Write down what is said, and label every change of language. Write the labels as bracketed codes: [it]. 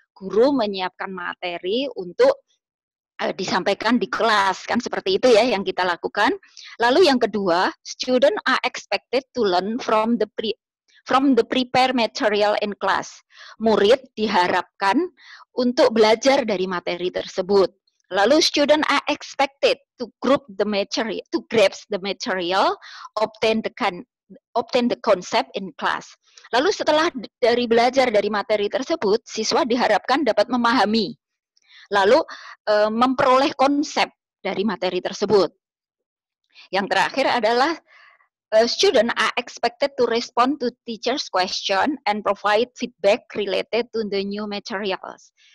[id] Guru menyiapkan materi untuk disampaikan di kelas, kan seperti itu ya yang kita lakukan. Lalu yang kedua, [en] student are expected to learn from the prepare material in class. [id] Murid diharapkan untuk belajar dari materi tersebut. [en] Lalu student are expected to group the material, to grasp the material, obtain the concept in class. [id] Lalu setelah dari belajar dari materi tersebut, siswa diharapkan dapat memahami, lalu memperoleh konsep dari materi tersebut. Yang terakhir adalah [en] student are expected to respond to teacher's question and provide feedback related to the new materials.